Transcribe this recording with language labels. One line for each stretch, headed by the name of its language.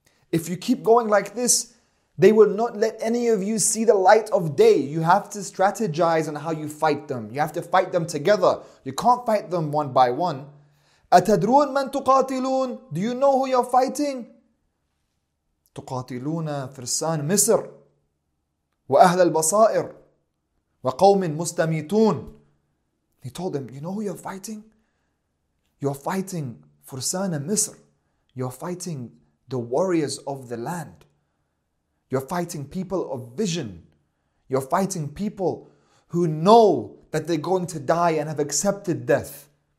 English: If you keep going like this, they will not let any of you see the light of day. You have to strategize on how you fight them. You have to fight them together. You can't fight them one by one.
Arabic: أتدرون من تقاتلون?
English: Do you know who you're fighting?
Arabic: تقاتلون فرسان مصر وأهل البصائر وقوم مستميتون.
English: He told them, you know who you're fighting? You're fighting
Arabic: فرسان مصر.
English: You're fighting the warriors of the land. You're fighting people of vision. You're fighting people who know that they're going to die and have accepted death.